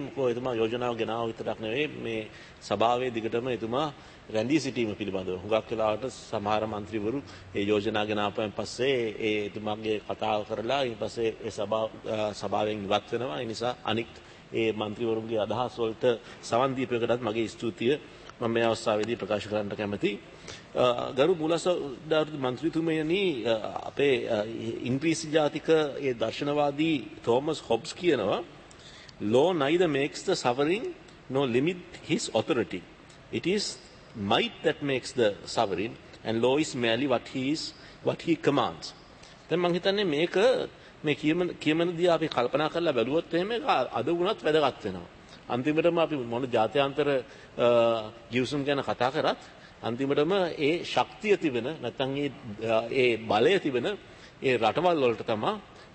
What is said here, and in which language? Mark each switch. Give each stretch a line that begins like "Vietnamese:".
Sinhala: මොකද එතුමා යෝජනාව ගෙනාව විතරක් නෙවෙයි මේ සභාවේ දිගටම එතුමා රැඳී සිටීම පිළිබඳව හුඟක් වෙලාවට සමහර මන්ත්‍රීවරු ඒ යෝජනාව ගෙනාවපෙන් පස්සේ ඒ එතුමාගේ කතාව කරලා ඊට පස්සේ ඒ සභාවෙන් ඉවත් වෙනවා. ඒ නිසා අනික් ඒ මන්ත්‍රීවරුන්ගේ අදහස් වලට සවන් දීපේකටත් මගේ ස්තුතිය මම මේ අවස්ථාවේදී ප්‍රකාශ කරන්න කැමතියි. ගරු මූලස්සාරුඩ මන්ත්‍රීතුමනි, අපේ ඉංග්‍රීසි ජාතික ඒ දර්ශනවාදී තෝමස් හොබ්ස් කියනවා
English: law neither makes the sovereign nor limit his authority, it is might that makes the sovereign and law is merely what he commands.
Sinhala: දැන් මම හිතන්නේ මේක මේ කියමනදී අපි කල්පනා කරලා බැලුවොත් එහෙම අද වුණත් වැදගත් වෙනවා. අන්තිමටම අපි මොන ජාත්‍යන්තර ගිවිසුම් ගැන කතා කරත් අන්තිමටම ඒ ශක්තිය තිබෙන නැත්නම් ඒ බලය තිබෙන ඒ රටවල් වලට තමයි